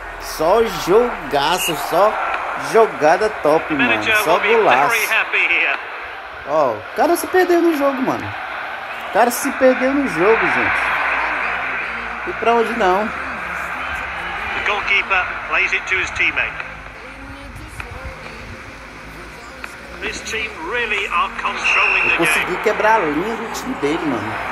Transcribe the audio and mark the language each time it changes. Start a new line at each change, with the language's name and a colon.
Portuguese: Só jogaço, só jogada top, mano. Só golaço. Ó, o cara se perdeu no jogo, mano. O cara se perdeu no jogo, gente. E pra onde não?
English: O goalkeeper plays it to his teammate. This team really are controlling the game.
Portuguese: Consegui quebrar a linha do time dele, mano.